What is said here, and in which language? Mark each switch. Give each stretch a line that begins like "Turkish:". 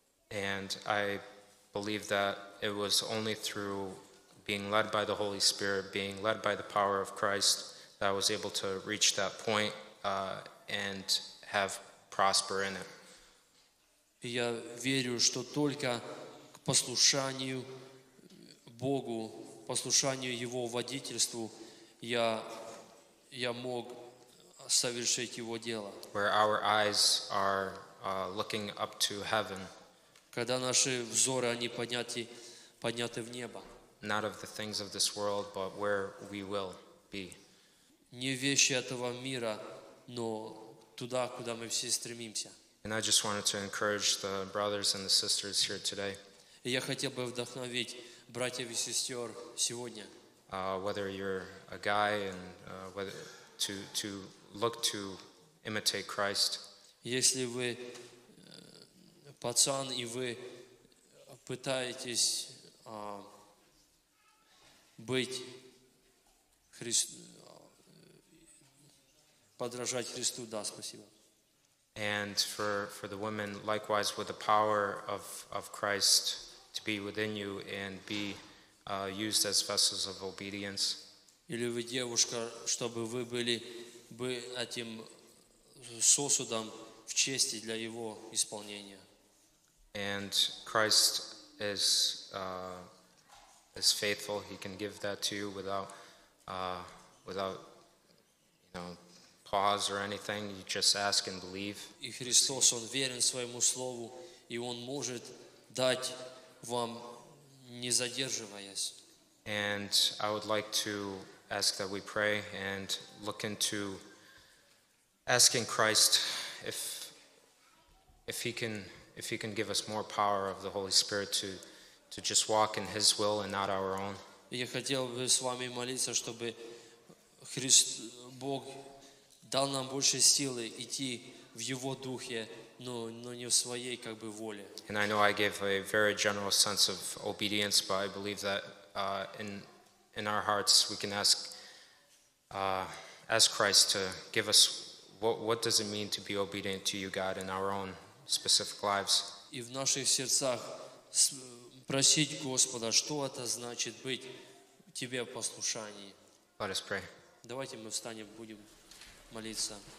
English: And I believe that it was only through being led by the Holy Spirit, being led by the power of Christ, that I was able to reach that point and have prosper in it.
Russian: Я верю, что только к послушанию Богу, послушанию Его водительству я мог совершить Его дело.
English: Where our eyes are looking up to heaven.
Russian: Когда наши взоры, они подняты в небо.
English: Not of the things of this world, but where we will be.
Russian: Не вещи этого мира, но туда, куда мы все стремимся.
English: And I just wanted to encourage the brothers and the sisters here today.
Russian: Я хотел бы вдохновить братьев и сестер сегодня.
English: Whether you're a guy and whether to look to imitate Christ.
Russian: Если вы пацан и вы пытаетесь быть подражать Христу, да, спасибо.
English: And for the women, likewise, with the power of Christ to be within you and be used as vessels of obedience.
Russian: Или вы девушка, чтобы вы были бы этим сосудом в чести для Его исполнения.
English: And Christ is faithful. He can give that to you without you know, pause or anything. You just ask and believe.
Russian: И Христос, Он верен своему слову, и Он может дать вам, не задерживаясь.
English: And I would like to ask that we pray and look into asking Christ if he can give us more power of the Holy Spirit to just walk in His will and not our own.
Russian: Я хотел бы с вами молиться, чтобы Христос Бог дал нам больше силы идти в Его духе, но не в своей как бы воле.
English: And I know I gave a very general sense of obedience, but I believe that in our hearts we can ask Christ to give us what does it mean to be obedient to you, God, in our own specific lives.
Russian: И в наших сердцах просить Господа, что это значит быть тебе в послушании.
English: Let us pray.
Russian: Давайте мы встанем, будем молиться.